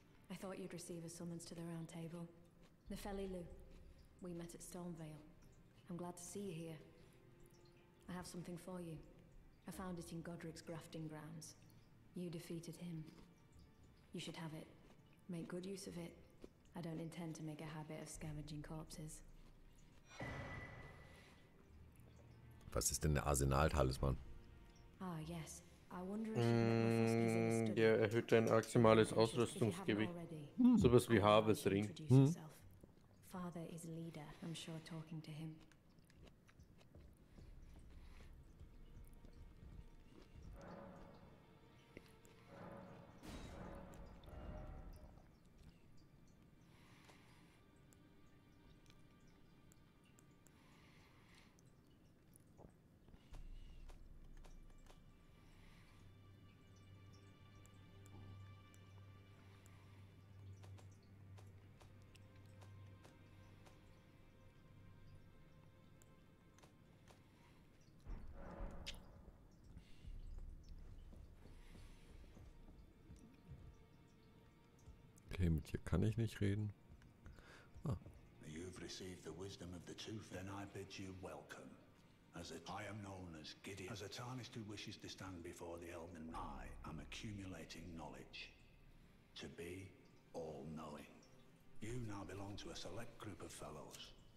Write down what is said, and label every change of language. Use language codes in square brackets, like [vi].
[en] I thought you'd receive a summons to the round table. Nefeli Lu. We met at Stormvale. I'm glad to see you here. I have something for you. I found it in Godric's grafting grounds. You defeated him. You should have it. Make good use of it. I don't intend to make a habit of scavenging corpses. [de] Was ist denn der Arsenal-Talisman? [en] Ah, yes. I wonder if [de] Der erhöht dein maximales Ausrüstungsgewicht. Sowas wie Harvest Ring. [en] Father is leader, I'm sure talking to him. [de] Okay, mit dir kann ich nicht reden. Ah. [en] You've received the wisdom of the tooth, then I bid you welcome. I am known as Gideon. As a tarnished who wishes to stand before the Elven, I am accumulating knowledge. To be all-knowing. You now belong to a select group of fellows.